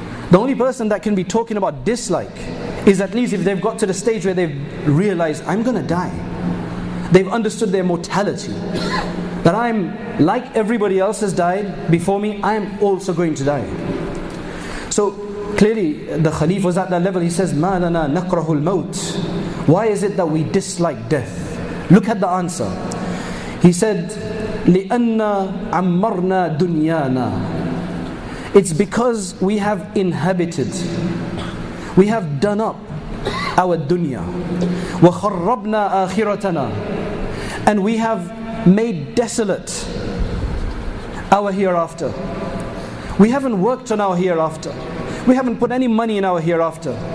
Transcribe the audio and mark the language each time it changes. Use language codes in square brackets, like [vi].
[en] The only person that can be talking about dislike is at least if they've got to the stage where they've realized I'm gonna die. They've understood their mortality. That I'm, like everybody else has died before me, I'm also going to die. So clearly the Khalif was at that level. He says, [ar] مَا لَنَا نَكْرَهُ الْمَوْتِ. [en] Why is it that we dislike death? Look at the answer. He said, [ar] لِأَنَّ عَمَّرْنَا دُنْيَانَا. [en] It's because we have inhabited, we have done up our dunya. [ar] وَخَرَّبْنَا آخِرَتَنَا. [en] And we have made desolate our hereafter. We haven't worked on our hereafter. We haven't put any money in our hereafter.